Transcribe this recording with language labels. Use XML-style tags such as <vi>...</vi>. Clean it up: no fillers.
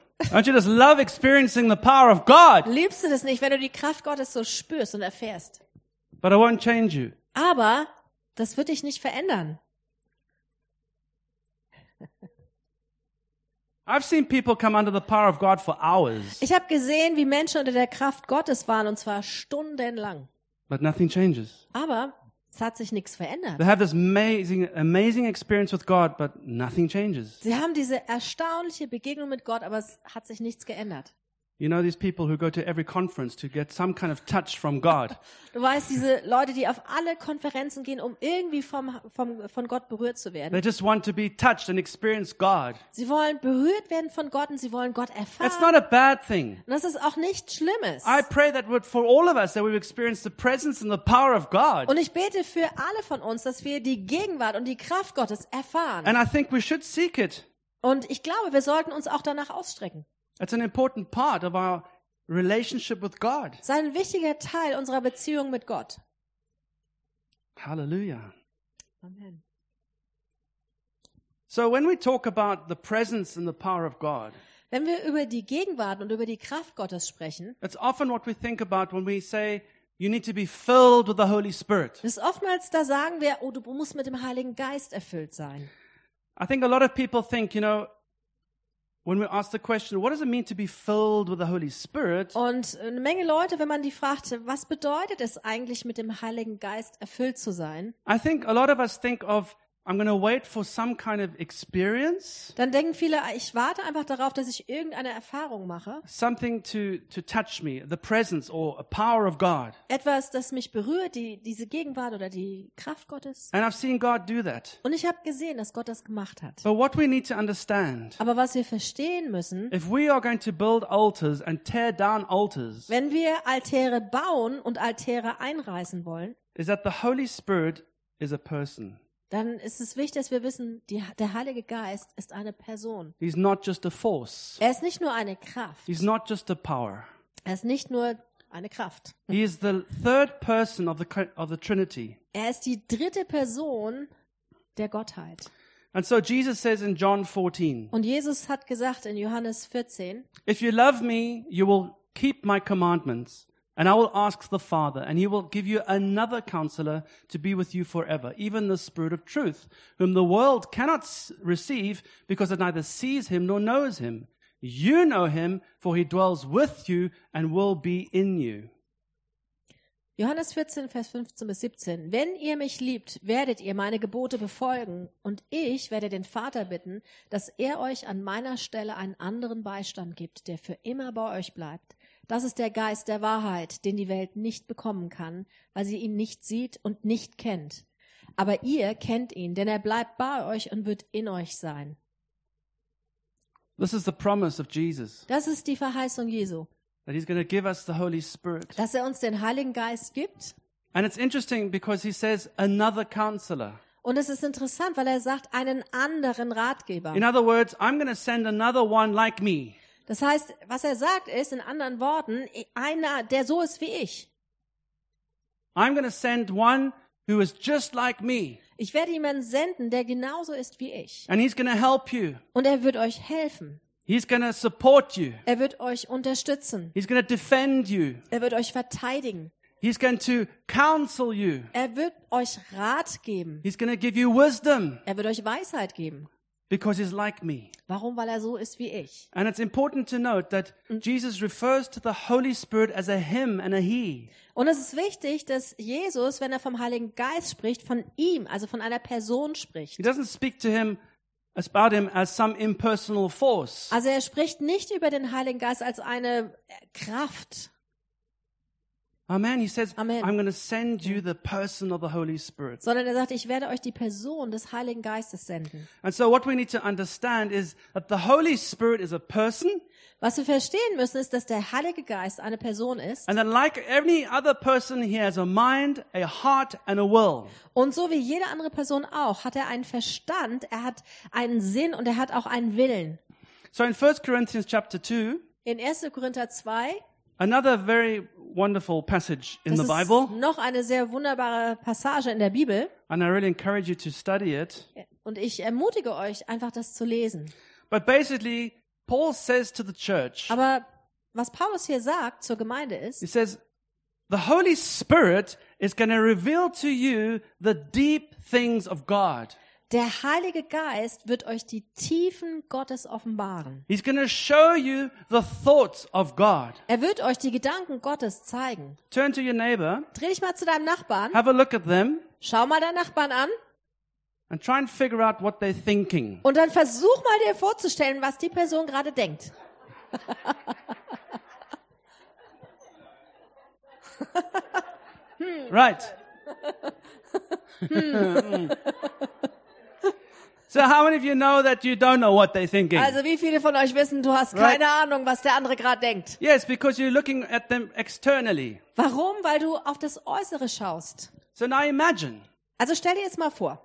<en>Don't you just love experiencing the power of God?</en> <de>Liebst du das nicht, wenn du die Kraft Gottes so spürst und erfährst?</de> <en>But I won't change you.</en> <de>Aber das wird dich nicht verändern.</de> <en>I've seen people come under the power of God for hours.</en> <de>Ich habe gesehen, wie Menschen unter der Kraft Gottes waren, und zwar stundenlang.</de> <en>But nothing changes.</en> <de>Aber es hat sich nichts verändert.</de> <en>They have this amazing experience with God, but nothing changes.</en> <de>Sie haben diese erstaunliche Begegnung mit Gott, aber es hat sich nichts geändert.</de> <en>You know these people who go to every conference to get some kind of touch from God.</en> <de>Du weißt diese Leute, die auf alle Konferenzen gehen, um irgendwie von Gott berührt zu werden.</de> <en>They just want to be touched and experience God.</en> <de>Sie wollen berührt werden von Gott und sie wollen Gott erfahren.</de> <en>It's not a bad thing.</en> <de>Und das ist auch nichts Schlimmes.</de> <en>I pray that for all of us that we've experienced the presence and the power of God.</en> <de>Und ich bete für alle von uns, dass wir die Gegenwart und die Kraft Gottes erfahren.</de> <en>And I think we should seek it.</en> <de>Und ich glaube, wir sollten uns auch danach ausstrecken.</de> <en>It's an important part of our relationship with God.</en> <de>Es ist ein wichtiger Teil unserer Beziehung mit Gott.</de> <en>Hallelujah. Amen. So when we talk about the presence and the power of God,</en> <de>wenn wir über die Gegenwart und über die Kraft Gottes sprechen,</de> <en>it's often what we think about when we say you need to be filled with the Holy Spirit.</en> <de>Es ist oftmals, da sagen wir, oh, du musst mit dem Heiligen Geist erfüllt sein.</de> <en>I think a lot of people think, you know, when we ask the question, what does it mean to be filled with the Holy Spirit?</en> <de>Und eine Menge Leute, wenn man die fragt, was bedeutet es eigentlich, mit dem Heiligen Geist erfüllt zu sein?</de> <en>I think a lot of us think of, I'm going to wait for some kind of experience.</en> <de>Dann denken viele, ich warte einfach darauf, dass ich irgendeine Erfahrung mache.</de> <en>Something to touch me, the presence or a power of God.</en> <de>Etwas, das mich berührt, diese Gegenwart oder die Kraft Gottes.</de> <en>And I've seen God do that.</en> <de>Und ich habe gesehen, dass Gott das gemacht hat.</de> <en>But what we need to understand.</en> <de>Aber was wir verstehen müssen.</de> <en>If we are going to build altars and tear down altars.</en> <de>Wenn wir Altäre bauen und Altäre einreißen wollen.</de> <en>Is that the Holy Spirit is a person.</en> <de>Dann ist es wichtig, dass wir wissen, der Heilige Geist ist eine Person.</de> <en>He's not just a force.</en> <de>Er ist nicht nur eine Kraft.</de> <en>He's not just a power.</en> <de>Er ist nicht nur eine Kraft.</de> <en>He is the third person of the Trinity.</en> <de>Er ist die dritte Person der Gottheit.</de> <en>And so Jesus says in John 14.</en> <de>Und Jesus hat gesagt in Johannes 14.</de> <en>If you love me, you will keep my commandments. And I will ask the Father, and he will give you another counselor to be with you forever, even the Spirit of Truth, whom the world cannot receive because it neither sees him nor knows him. You know him, for he dwells with you and will be in you.</en> <de>Johannes 14, Vers 15 bis 17. Wenn ihr mich liebt, werdet ihr meine Gebote befolgen, und ich werde den Vater bitten, dass er euch an meiner Stelle einen anderen Beistand gibt, der für immer bei euch bleibt. Das ist der Geist der Wahrheit, den die Welt nicht bekommen kann, weil sie ihn nicht sieht und nicht kennt. Aber ihr kennt ihn, denn er bleibt bei euch und wird in euch sein.</de> <en>This is the promise of Jesus.</en> <de>Das ist die Verheißung Jesu.</de> <en>That he's going to give us the Holy Spirit.</en> <de>Dass er uns den Heiligen Geist gibt.</de> <en>And it's interesting because he says another counselor.</en> <de>Und es ist interessant, weil er sagt einen anderen Ratgeber.</de> <en>In other words, I'm going to send another one like me.</en> <de>Das heißt, was er sagt ist, in anderen Worten, einer, der so ist wie ich.</de> <en>I'm going to send one who is just like me.</en> <de>Ich werde jemanden senden, der genauso ist wie ich.</de> <en>And he's going to help you.</en> <de>Und er wird euch helfen.</de> <en>He's going to support you.</en> <de>Er wird euch unterstützen.</de> <en>He's going to defend you.</en> <de>Er wird euch verteidigen.</de> <en>He's going to counsel you.</en> <de>Er wird euch Rat geben.</de> <en>He's going to give you wisdom.</en> <de>Er wird euch Weisheit geben.</de> <en>Because he's like me.</en> <de>Warum? Weil er so ist wie ich.</de> <en>And it's important to note that Jesus refers to the Holy Spirit as a him and a he.</en> <de>Und es ist wichtig, dass Jesus, wenn er vom Heiligen Geist spricht, von ihm, also von einer Person spricht.</de> <en>He doesn't speak to him about him as some impersonal force.</en> <de>Also er spricht nicht über den Heiligen Geist als eine Kraft.</de> <en>Amen. He says, Amen. I'm going to send you the person of the Holy Spirit.</en> <de>Sondern er sagt, ich werde euch die Person des Heiligen Geistes senden.</de> <en>And so what we need to understand is that the Holy Spirit is a person.</en> <de>Was wir verstehen müssen ist, dass der Heilige Geist eine Person ist.</de> <en>And then like any other person, he has a mind, a heart and a will.</en> <de>Und so wie jede andere Person auch, hat er einen Verstand, er hat einen Sinn und er hat auch einen Willen.</de> <en>So in 1 Corinthians chapter 2,</en> <de>in 1. Korinther 2,</de> <en>another very wonderful passage in the Bible.</en> <de>Noch eine sehr wunderbare Passage in der Bibel.</de> <en>And I really encourage you to study it.</en> <de>Und ich ermutige euch einfach das zu lesen.</de> <en>But basically Paul says to the church.</en> <de>Aber was Paulus hier sagt zur Gemeinde ist,</de> <en>he says the Holy Spirit is going to reveal to you the deep things of God.</en> <de>Der Heilige Geist wird euch die Tiefen Gottes offenbaren.</de> <en>He's going to show you the thoughts of God.</en> <de>Er wird euch die Gedanken Gottes zeigen.</de> <en>Turn to your neighbor.</en> <de>Dreh dich mal zu deinem Nachbarn.</de> <en>Have a look at them.</en> <de>Schau mal deinen Nachbarn an.</de> <en>And try and figure out what they're thinking.</en> <de>Und dann versuch mal dir vorzustellen, was die Person gerade denkt.</de> <en>Right. So how many of you know that you don't know what they're thinking?</en> <de>Also, wie viele von euch wissen, du hast keine Ahnung, was der andere gerade denkt?</de> <en>Yes, because you're looking at them externally.</en> <de>Warum? Weil du auf das Äußere schaust.</de> <en>So now imagine.</en> <de>Also stell dir jetzt mal vor.</de>